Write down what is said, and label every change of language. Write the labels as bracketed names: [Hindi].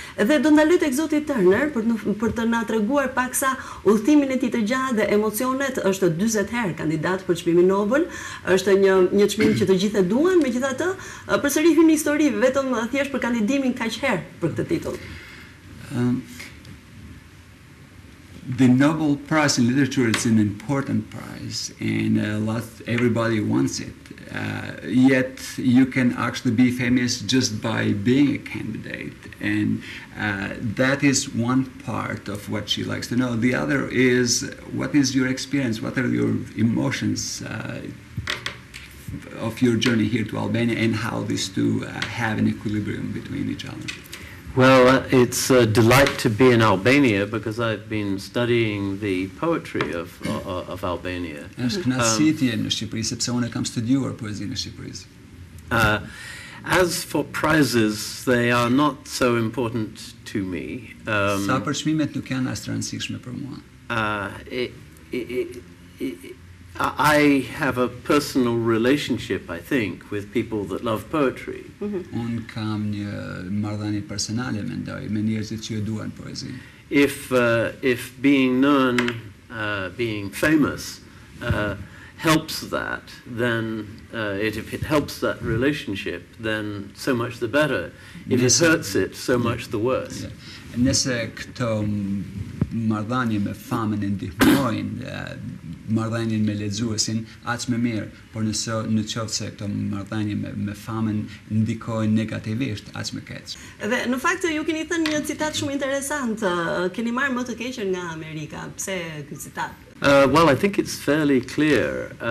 [Albanian] Dhe do ndaloj tek zoti Turner për të na treguar paksa udhëtimin e tij të gjatë dhe emocionet. Është 40 herë kandidat për çmimin Nobel, është një çmim që të gjithë e duan, megjithatë përsëri hyn në histori vetëm thjesht për kandidimin kaq herë për këtë titull. [English] The Nobel Prize in Literature is an important prize and everybody wants it. Yet you can actually be famous just by being a candidate, and that is one part of what she likes to know. The other is, what is your experience? What are your emotions of your journey here to Albania, and how these two have an equilibrium between each other? Well, it's a delight to be in Albania because I've been studying the poetry of Albania. [Albanian] Është kënaqësi të jem në Shqipëri sepse unë kam studiuar poezinë në Shqipëri. [English] As for prizes, they are not so important to me. [Albanian] Sa për çmimet nuk janë as të rëndësishme për mua. [English] I have a personal relationship, I think, with people that love poetry. [Albanian] Un kam një marrëdhënie personale, mendoj, me njerëzit që duan poezinë. [English] If being known, being famous, helps that, then if it helps that relationship, then so much the better. If it hurts it, so much the worse. [Albanian] Nëse këto marrëdhënie me famën ndihmojnë marrëdhënien me lexuesin, aq më mirë. Por nëse në qoftë se këto marrëdhënie me famën ndikojnë negativisht, aq më keq. Dhe në fakt ju keni thënë një citat shumë interesant, keni marrë më të keqen nga Amerika. Pse ky citat? [English] Well, I think it's fairly clear.